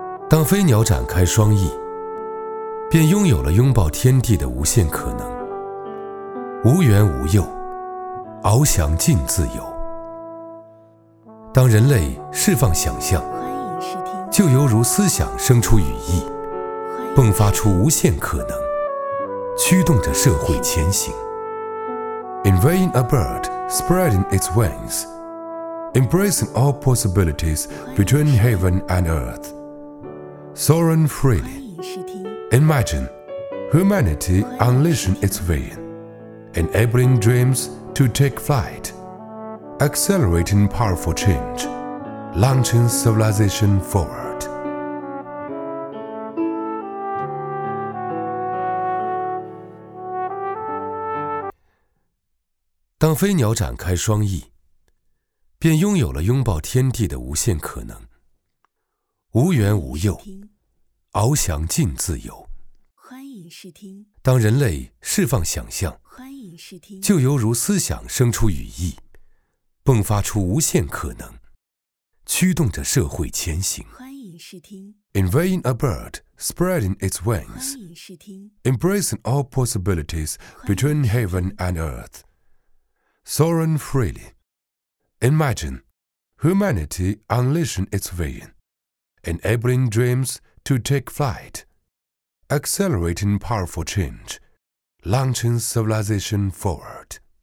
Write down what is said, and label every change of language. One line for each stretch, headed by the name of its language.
Chinese: 让飞鸟展开双翼，便拥有了拥抱天地的无限可能，无缘无诱，翱翔尽自由。当人类释放想象，就犹如思想生出羽翼，迸发出无限可能，驱动着社会前行。
English: In vain a bird spreading its wings, embracing all possibilities between heaven and earth, soaring freely. Imagine humanity unleashing its vision, enabling dreams to take flight, accelerating powerful change, launching civilization forward.
Chinese: 当飞鸟展开双翼，便拥有了拥抱天地的无限可能，无缘无诱，翱翔尽自由。欢迎试听。当人类释放想象，欢迎试听，就犹如思想生出羽翼，迸发出无限可能，驱动着社会前行。欢迎试听。
English: In vain a bird spreading its wings, embracing all possibilities between heaven and earth. Soaring freely, imagine humanity unleashing its vision, enabling dreams to take flight, accelerating powerful change, launching civilization forward.